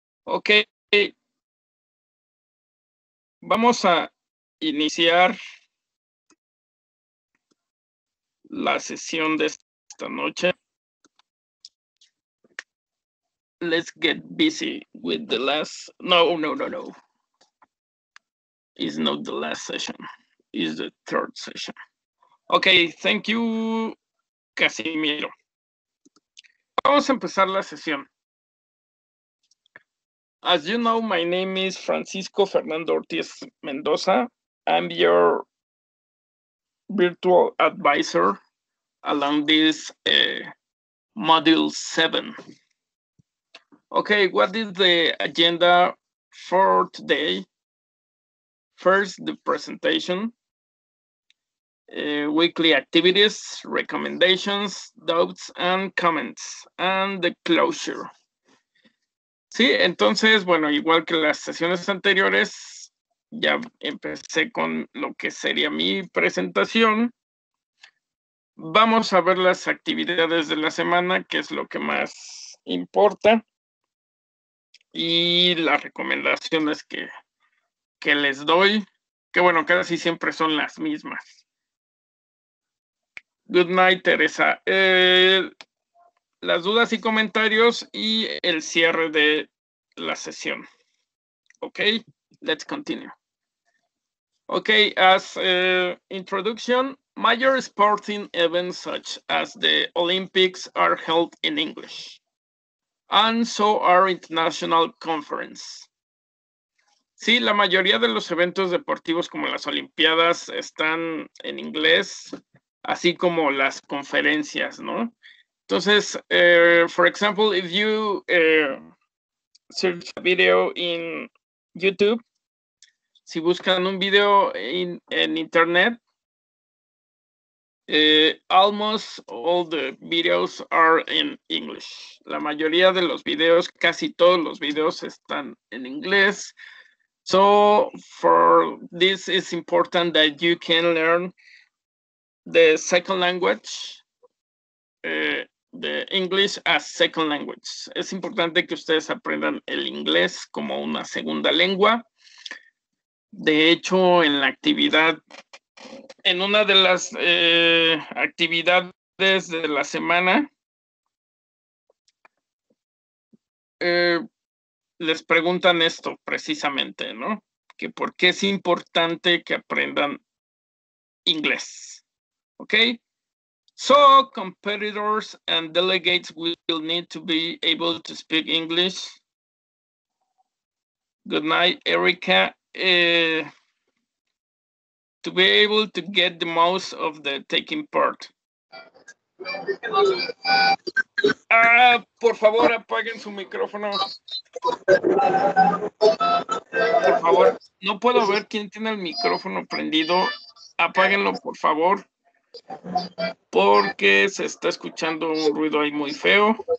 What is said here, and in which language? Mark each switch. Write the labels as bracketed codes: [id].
[es] Okay, vamos a iniciar la sesión de esta noche. [en] Let's get busy with the last. No. It's not the last session. It's the third session. Okay, thank you, Casimiro. [es] Vamos a empezar la sesión. [en] As you know, my name is Francisco Fernando Ortiz Mendoza. I'm your virtual advisor along this module 7. Okay, what is the agenda for today? First, the presentation, weekly activities, recommendations, doubts, and comments, and the closure. [es] Sí, entonces, bueno, igual que las sesiones anteriores, ya empecé con lo que sería mi presentación. Vamos a ver las actividades de la semana, que es lo que más importa, y las recomendaciones que les doy, que bueno, casi siempre son las mismas. [en] Good night, Teresa. [es] Las dudas y comentarios y el cierre de la sesión. [en] Okay, let's continue. Okay, as introduction, major sporting events such as the Olympics are held in English, and so are international conferences. [es] Sí, la mayoría de los eventos deportivos como las Olimpiadas están en inglés, así como las conferencias, ¿no? [en] Entonces, for example, if you search a video in YouTube, [es] si buscan un video en internet, [en] almost all the videos are in English. [es] La mayoría de los videos, casi todos los videos están en inglés. [en] So for this, it's important that you can learn the second language, the English as second language. [es] Es importante que ustedes aprendan el inglés como una segunda lengua. De hecho, en la actividad, en una de las actividades de la semana, les preguntan esto precisamente, ¿no? Que por qué es importante que aprendan inglés. [en] Okay, so competitors and delegates will need to be able to speak English. Good night, Erica. To be able to get the most of the taking part. [es] Por favor, apaguen su micrófono. Por favor, no puedo ver quién tiene el micrófono prendido. Apáguenlo, por favor. Porque se está escuchando un ruido ahí muy feo.